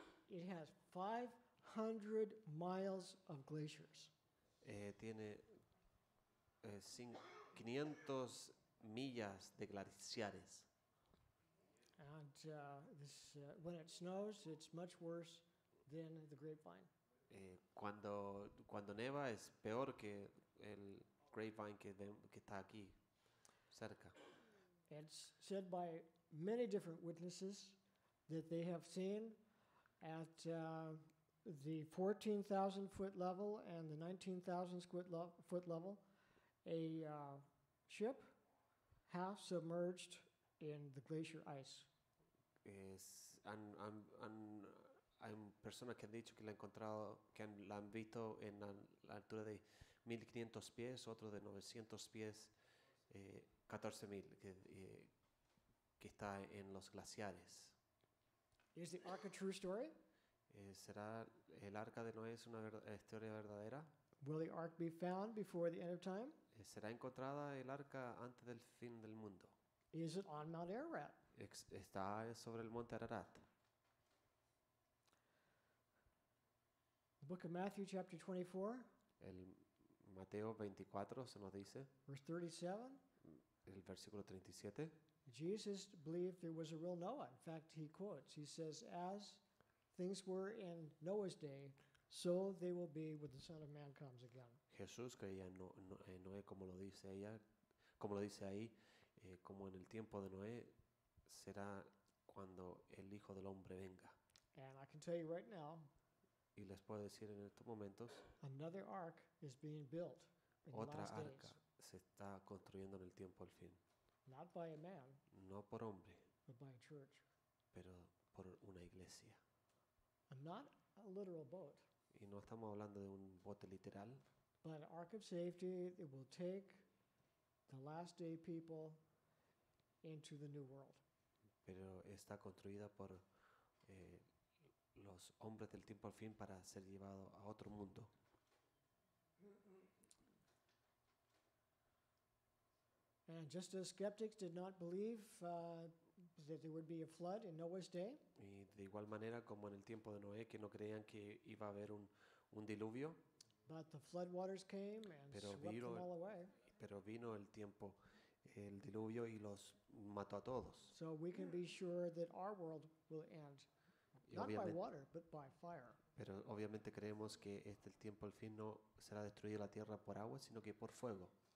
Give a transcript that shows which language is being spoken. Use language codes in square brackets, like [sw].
[en] It has 500 miles of glaciers. [es] Tiene 500 millas de glaciares. [en] And this, when it snows, it's much worse than the grapevine. [es] Cuando neva es peor que el grapevine que está aquí cerca. [en] It's said by many different witnesses that they have seen at the 14,000 foot level and the 19,000 foot level a ship half submerged in the glacier ice. [es] Es hay personas que han dicho que la han encontrado, que la han visto en la altura de 1500 pies, otro de 900 pies, 14,000 que está en los glaciares. [en] Is the ark a true story? [es] ¿Será el arca de Noé es una historia verdadera? [en] Will the ark be found before the end of time? [es] ¿Será encontrada el arca antes del fin del mundo? [en] Is it on Mount Ararat? [es] ¿Está sobre el monte Ararat? [en] The book of Matthew chapter 24. [es] El Mateo 24 se nos dice. [en] Verse 37. [es] El versículo 37. [en] Jesus believed there was a real Noah. In fact, he quotes. He says, as things were in Noah's day, so they will be when the Son of Man comes again. [es] Jesús creía en Noé, como lo dice ella, como lo dice ahí, como en el tiempo de Noé, será cuando el Hijo del Hombre venga. [en] And I can tell you right now, [es] y les puedo decir en estos momentos, [en] another ark is being built in the last days. [es] Otra arca se está construyendo en el tiempo del fin. [en] Not by a man, [es] no por hombre, [en] but by a church. [es] Pero por una iglesia. [en] And not a literal boat. [es] Y no estamos hablando de un bote literal. [en] But an ark of safety that will take the last day people into the new world. [es] Pero está construida por los hombres del tiempo al fin para ser llevado a otro mundo. [en] And just as skeptics did not believe that there would be a flood in Noah's day. [es] Y de igual manera como en el tiempo de Noé que no creían que iba a haber un diluvio. [en] But the flood waters came and swept them all away. [es] Pero vino el tiempo el diluvio y los mató a todos. [en] So we can be sure that our world will end not by water but by fire. [es] Pero obviamente creemos que el tiempo al fin no será destruida la tierra por agua sino que por fuego.